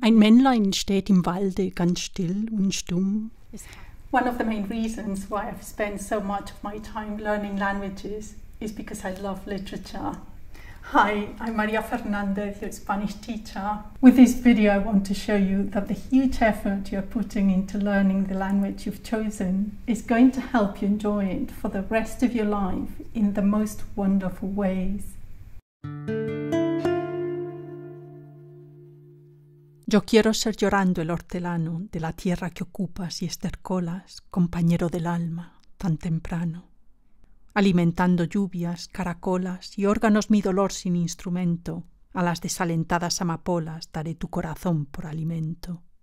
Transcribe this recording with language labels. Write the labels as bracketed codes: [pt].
[de] Ein Männlein steht im Walde ganz still und stumm. [en] One of the main reasons why I've spent so much of my time learning languages is because I love literature. Hi, I'm Maria Fernandez, your Spanish teacher. With this video, I want to show you that the huge effort you're putting into learning the language you've chosen is going to help you enjoy it for the rest of your life in the most wonderful ways. [es] Yo quiero ser llorando el hortelano de la tierra que ocupas y estercolas, compañero del alma, tan temprano. Alimentando lluvias, caracolas y órganos mi dolor sin instrumento, a las desalentadas amapolas daré tu corazón por alimento.